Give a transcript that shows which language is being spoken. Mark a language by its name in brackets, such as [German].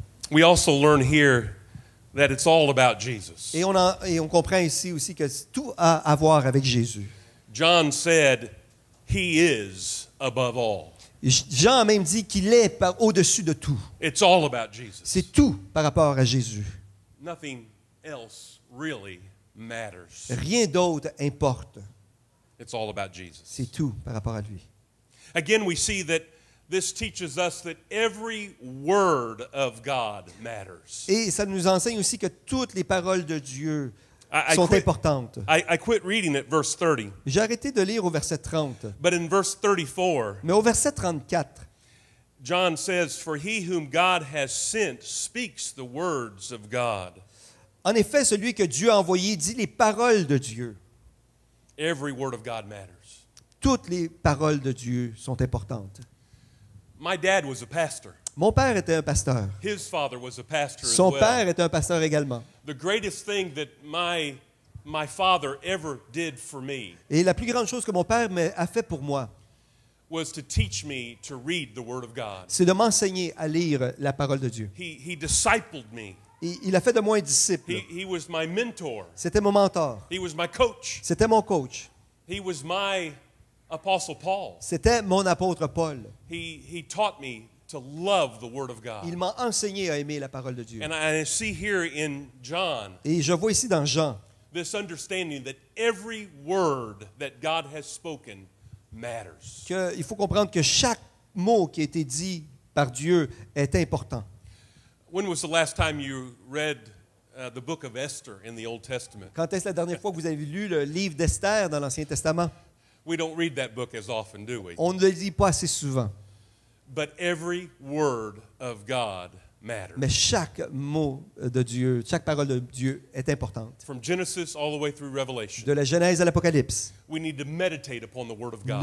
[English] We also learn here that it's all about Jesus. [French] Et on comprend ici aussi que tout a à voir avec Jésus. [English] John said, "He is above all." [French] Jean a même dit qu'il est au-dessus de tout. [English] It's all about Jesus. [French] C'est tout par rapport à Jésus. [English] Nothing else really matters. [French] Rien d'autre importe. [English] It's all about Jesus. [French] C'est tout par rapport à lui. [English] Again, we see that. This teaches us that every word of God matters. [French] Et ça nous enseigne aussi que toutes les paroles de Dieu sont importantes. [English] I quit reading at verse 30. [French] J'ai arrêté de lire au verset 30. [English] But in verse 34. [French] Mais au verset 34. [English] John says, "For he whom God has sent speaks the words of God." [French] En effet, celui que Dieu a envoyé dit les paroles de Dieu. [English] Every word of God matters. [French] Toutes les paroles de Dieu sont importantes. [English] My dad was a pastor. [French] Mon père était un pasteur. [English] His father was a pastor. [French] Son père était un pasteur également. [English] The greatest thing that my father ever did for me. [French] Et la plus grande chose que mon père a fait pour moi. [English] Was to teach me to read the word of God. [French] C'est de m'enseigner à lire la parole de Dieu. [English] He discipled me. [French] Il a fait de moi un disciple. [English] He was my mentor. [French] C'était mon mentor. [English] He was my coach. [French] C'était mon coach. [English] He was my Apostle Paul. [French] C'était mon apôtre Paul. [English] He taught me to love the word of God. [French] Il m'a enseigné à aimer la parole de Dieu. [English] And I see here in John. [French] Et je vois ici dans Jean. [English] This understanding that every word that God has spoken matters. [French] Que il faut comprendre que chaque mot qui a été dit par Dieu est important. [English] When was the last time you read the book of Esther in the Old Testament? [French] Quand est-ce la dernière fois que vous avez lu le livre d'Esther dans l'Ancien Testament? [English] We don't read that book as often, do we? [French] On ne le lit pas assez souvent. [English] But every word of God matters. [French] Mais chaque mot de Dieu, chaque parole de Dieu est importante. [English] From Genesis all the way through Revelation. [French] De la Genèse à l'Apocalypse. [English] We need to meditate upon the word of God.